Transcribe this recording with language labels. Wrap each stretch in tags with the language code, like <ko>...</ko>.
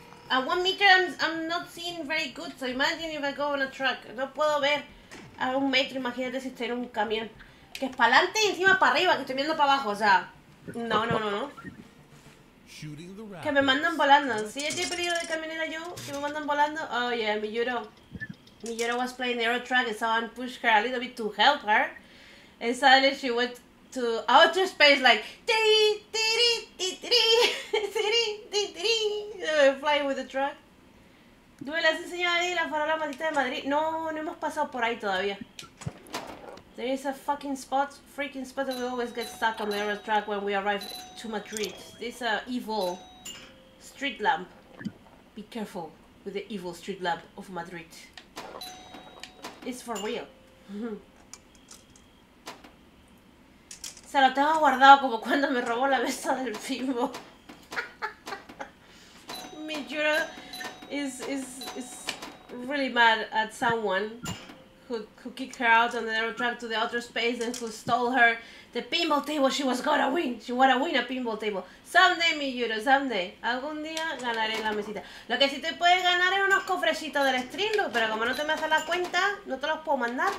<en>At 1 meter, I'm not seeing very good, so imagine if I go on a truck.</en> <es>No puedo ver a 1 metro, imagínate si estoy en un camión. Que es para adelante y encima para arriba, que estoy mirando para abajo, o sea. No. Que me mandan volando. Si ya tiene peligro de camionera yo, que me mandan volando.</es> <en>Oh yeah, Miyuro was playing the Aero Truck and someone pushed her a little bit to help her. And suddenly she went to outer space like tiri tiri tiri tiri tiri tiri flying with the truck.</en> <es>¿Tú me las enseñas ahí la farola maldita de Madrid? No, no hemos pasado por ahí todavía.</es> <en>There is a fucking spot, freaking spot that we always get stuck on the other track when we arrive to Madrid. This evil street lamp. Be careful with the evil street lamp of Madrid. It's for real.</en> <es>Se lo tengo guardado como cuando me robó la mesa del Fimbo.</es> <en>Mi Juro is really mad at someone who kicked her out on the narrow track to the outer space and who stole her the pinball table she was gonna win. She wanna win a pinball table. Someday, mi Juro, someday.</en> <es>Algún día ganaré la mesita. Lo que sí te puedes ganar es unos cofrecitos del Streamlook, pero como no te me haces la cuenta, no te los puedo mandar.</es>